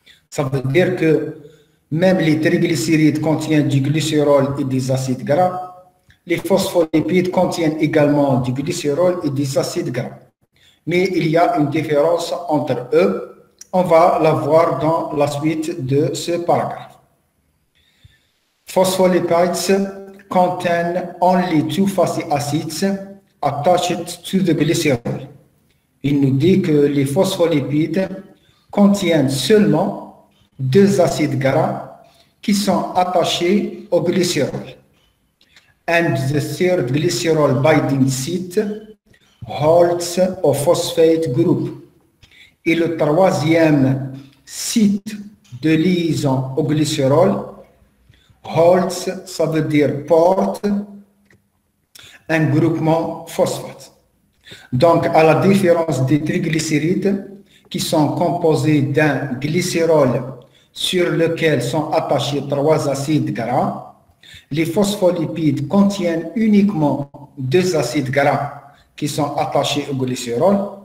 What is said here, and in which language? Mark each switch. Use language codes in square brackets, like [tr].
[fr] Ça veut dire que même les triglycérides contiennent du glycérol et des acides gras, les phospholipides contiennent également du glycérol et des acides gras. Mais il y a une différence entre eux. On va la voir dans la suite de ce paragraphe. [en] Phospholipids contain only two fatty acids attached to the glycerol. [fr] Il nous dit que les phospholipides contiennent seulement deux acides gras qui sont attachés au glycérol. [en] And the third glycerol binding site holds au phosphate group. [fr] Et le troisième site de liaison au glycérol, holds, ça veut dire porte un groupement phosphate. Donc, à la différence des triglycérides, qui sont composés d'un glycérol sur lequel sont attachés trois acides gras, les phospholipides contiennent uniquement deux acides gras qui sont attachés au glycérol.